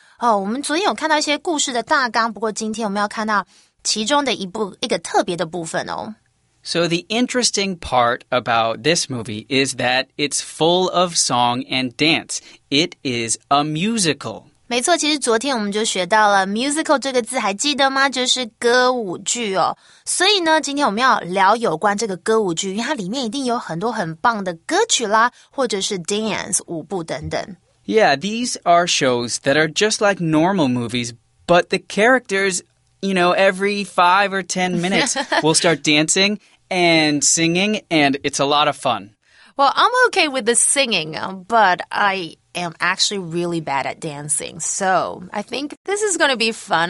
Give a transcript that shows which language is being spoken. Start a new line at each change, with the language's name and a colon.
Chinese: 哦，我们昨天有看到一些故事的大纲，不过今天我们要看到其中的一个特别的部分哦。
English: So the interesting part about this movie is that it's full of song and dance. It is a musical.
Chinese: 没错，其实昨天我们就学到了 musical 这个字，还记得吗？就是歌舞剧哦。所以呢，今天我们要聊有关这个歌舞剧，因为它里面一定有很多很棒的歌曲啦，或者是 dance 舞步等等。
English: Yeah, these are shows that are just like normal movies, but the characters, you know, every 5 or 10 minutes will start dancing and singing, and it's a lot of fun. Well, I'm okay with the singing, but I am actually really bad at dancing, so I think this is going to be fun.